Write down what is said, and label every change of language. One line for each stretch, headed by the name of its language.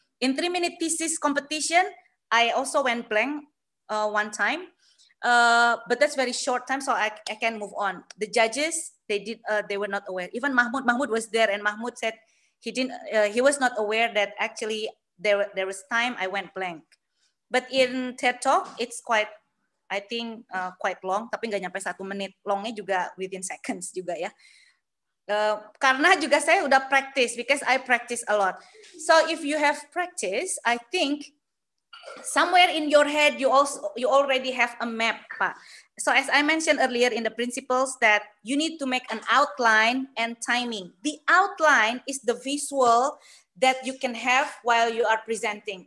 English: In 3-minute thesis competition, I also went blank one time, but that's very short time, so I can move on. The judges, they were not aware. Even Mahmud was there, and Mahmud said he was not aware that actually there was time I went blank. But in TED Talk, it's quite, I think quite long.
Indonesian: Tapi nggak nyampe 1 menit. Longnya juga
English: within seconds
Indonesian: juga ya. Karena juga saya udah practice,
English: because I practice a lot. So if you have practice, I think somewhere in your head, you already have a map, Pak. So as I mentioned earlier in the principles that you need to make an outline and timing. The outline is the visual that you can have while you are presenting.